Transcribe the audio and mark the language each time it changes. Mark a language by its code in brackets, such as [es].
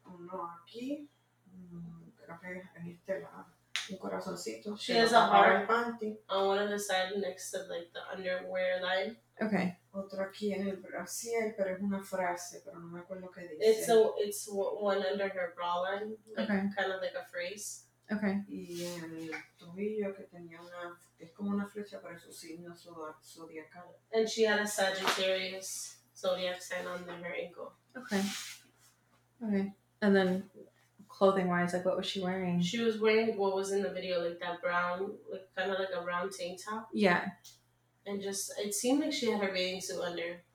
[es] Uno aquí, creo que en este lado, un corazoncito. [en] She has a heart on one of the sides next to like the underwear line. Okay. [es] Otro aquí en el brasier, pero es una frase, pero no me acuerdo qué dice. [en] It's one under her bra line. Like, okay. Kind of like a phrase. Okay. [es] Y en el tobillo que tenía una, es como una flecha para su signo zodiacal. [en] And she had a Sagittarius zodiac sign under her ankle. Okay. And then clothing-wise, like what was she wearing? She was wearing what was in the video, like that brown, like kind of like a brown tank top. Yeah. And just, it seemed like she had her bathing suit under.